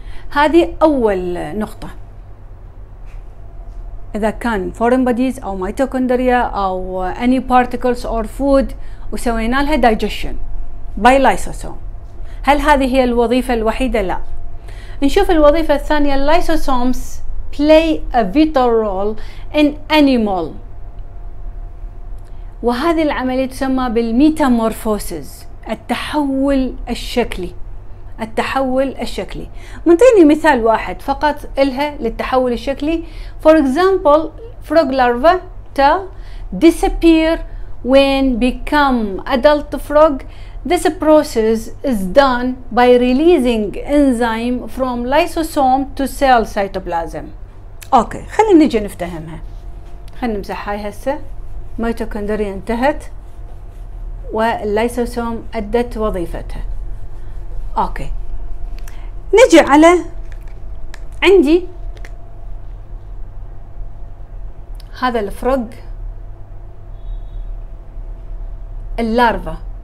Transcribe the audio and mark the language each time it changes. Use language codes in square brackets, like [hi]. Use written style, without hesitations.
[ar] هذه أول نقطة إذا كان foreign bodies أو ميتوكوندريا أو [en] any particles or food [ar] وسوينا لها [en] digestion by lysosome. [ar] هل هذه هي الوظيفة الوحيدة؟ لا. نشوف الوظيفة الثانية. [en] lysosomes play a vital role in animal [ar] وهذه العملية تسمى بالميتامورفوسز التحول الشكلي. التحول الشكلي منطيني مثال واحد فقط إلها للتحول الشكلي. [en] For example frog larva disappear when become adult frog. This process is done by releasing enzyme from lysosome to cell cytoplasm. [ar] اوكي خلينا نجي نفتهمها. خلينا نمسح هاي هسه. ميتوكوندريا انتهت واللايسوسوم أدت وظيفتها. أوكي نجي على عندي هذا الفروغ اللارفا.